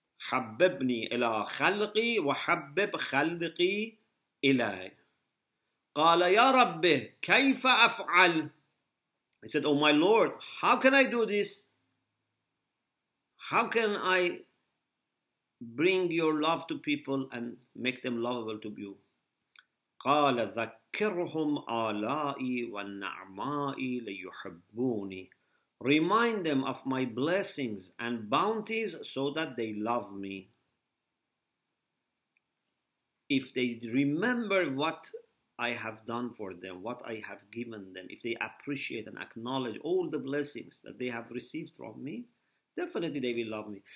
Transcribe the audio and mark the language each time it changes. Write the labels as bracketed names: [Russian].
[Arabic] حَبَّبْنِي إِلَىٰ خَلْقِي وَحَبَّبْ خَلْقِي إِلَىٰي. قَالَ يَا رَبِّ كَيْفَ أَفْعَلْ, [English] he said, oh my Lord, how can I do this? How can I bring your love to people and make them lovable to you. [Arabic] قال ذكرهم آلائي والنعمائي ليحبوني. [English] Remind them of my blessings and bounties so that they love me. If they remember what I have done for them, what I have given them, if they appreciate and acknowledge all the blessings that they have received from me, definitely they will love me.